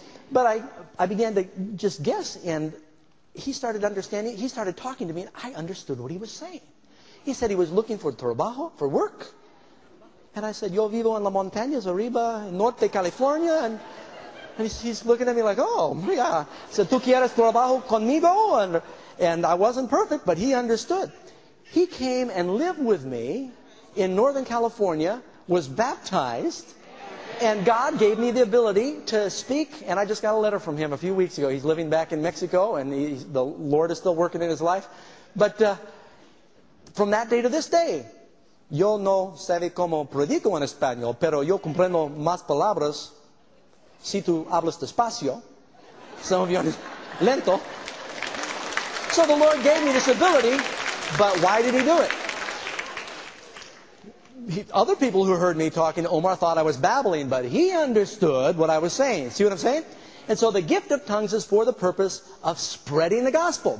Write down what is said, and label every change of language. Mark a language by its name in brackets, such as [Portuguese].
[English] But I began to just guess, and he started understanding. He started talking to me, and I understood what he was saying. He said he was looking for trabajo, for work. And I said, [Spanish] yo vivo en la montaña, arriba, en Norte, California. [English] And he's looking at me like, oh, my God. He said, [Spanish] tú quieres trabajo conmigo? [English] And I wasn't perfect, but he understood. He came and lived with me in Northern California, was baptized, and God gave me the ability to speak. And I just got a letter from him a few weeks ago. He's living back in Mexico, and the Lord is still working in his life. But from that day to this day, [Spanish] yo no sé cómo predico en español, pero yo comprendo más palabras si tú hablas despacio. [English] Some of you are lento. So the Lord gave me this ability, but why did he do it? Other people who heard me talking to Omar thought I was babbling, but he understood what I was saying. See what I'm saying? And so the gift of tongues is for the purpose of spreading the gospel.